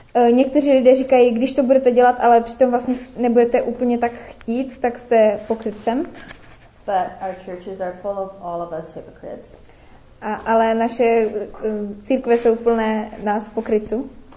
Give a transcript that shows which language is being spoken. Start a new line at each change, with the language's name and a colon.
Czech: Někteří lidé říkají, když to budete dělat, ale přitom vlastně nebudete úplně tak chtít, tak jste pokrytcem.
English: But our churches are full of all of us hypocrites.
Czech: Ale naše církve jsou plné nás pokrytců.